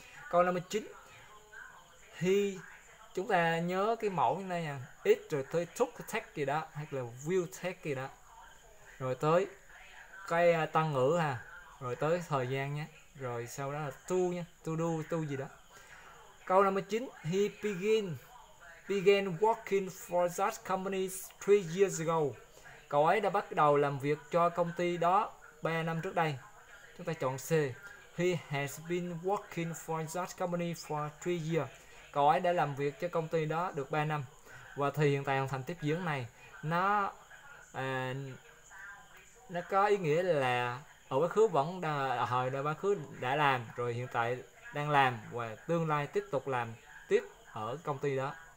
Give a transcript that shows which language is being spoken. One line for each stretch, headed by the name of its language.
Vietnamese: Câu 59, he, chúng ta nhớ cái mẫu như này nha, it rồi tới took take gì đó, hoặc là will take gì đó, rồi tới cái tăng ngữ ha, rồi tới thời gian nhé, rồi sau đó là to nha, to do, to gì đó.
English: Câu 59, he began working for that company 3 years ago.
Vietnamese: Cậu ấy đã bắt đầu làm việc cho công ty đó 3 năm trước đây. Chúng ta chọn C.
English: He has been working for that company for 3 years.
Vietnamese: Cậu ấy đã làm việc cho công ty đó được 3 năm. Và thì hiện tại hoàn thành tiếp diễn này nó có ý nghĩa là ở quá khứ vẫn đã, hồi đã quá khứ đã làm rồi hiện tại đang làm và tương lai tiếp tục làm tiếp ở công ty đó.